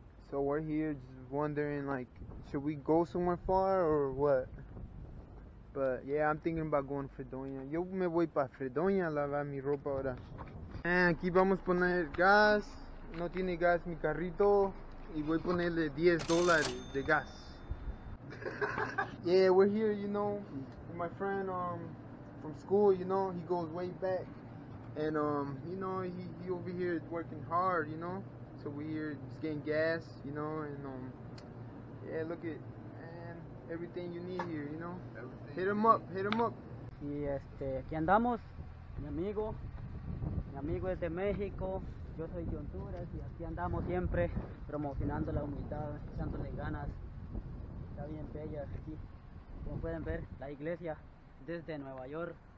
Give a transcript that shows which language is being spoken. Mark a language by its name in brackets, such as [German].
[English] So we're here just wondering, like, should we go somewhere far or what? But yeah, I'm thinking about going to Fredonia. [Spanish] Yo me voy para Fredonia a lavar mi ropa ahora. And aquí vamos a poner gas. No tiene gas mi carrito. Y voy a ponerle $10 de gas. [English] Yeah, we're here, you know, with my friend from school, you know, he goes way back. And, you know, he over here is working hard, you know. So we're here just getting gas, you know, and, yeah, look at, man, everything you need here, you know. Hit him up. [Spanish] Y aquí andamos, mi amigo es de México. Yo soy de Honduras y aquí andamos siempre promocionando la humildad, echándole ganas. Está bien bella aquí. Como pueden ver, la iglesia desde Nueva York.